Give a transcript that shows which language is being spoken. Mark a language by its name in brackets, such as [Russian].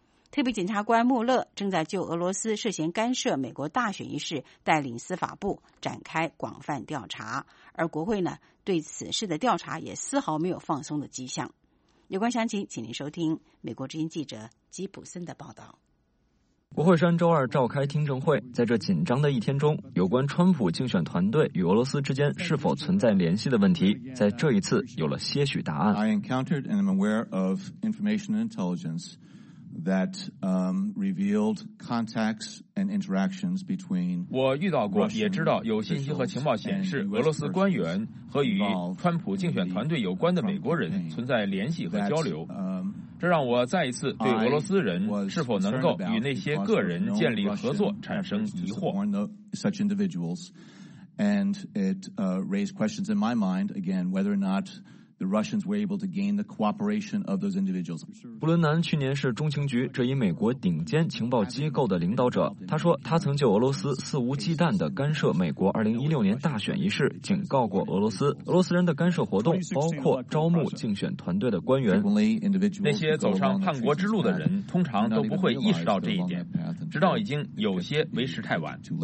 [Chinese] 特别检察官穆勒正在就俄罗斯涉嫌干涉美国大选一事带领司法部展开广泛调查，而国会呢对此事的调查也丝毫没有放松的迹象。有关详情请您收听美国之音记者吉普森的报道。国会山周二召开听证会，在这紧张的一天中，有关川普竞选团队与俄罗斯之间是否存在联系的问题，在这一次有了些许答案。 [English] I encountered and am aware of information and intelligenceThat revealed contacts and interactions between. [Chinese] 我遇到过，也知道有信息和情报显示，俄罗斯官员和与川普竞选团队有关的美国人存在联系和交流。这让我再一次对俄罗斯人是否能够与那些个人建立合作产生疑惑。 [English] Such individuals, and it raised questions in my mind again whether or not. The Russians were able to gain the cooperation of those individuals. [Chinese] 布伦南去年是中情局这一美国顶尖情报机构的领导者。他说他曾就俄罗斯肆无忌惮地干涉美国2016年大选一事警告过俄罗斯。俄罗斯人的干涉活动包括招募竞选团队的官员。那些走上叛国之路的人通常都不会意识到这一点，直到已经有些为时太晚。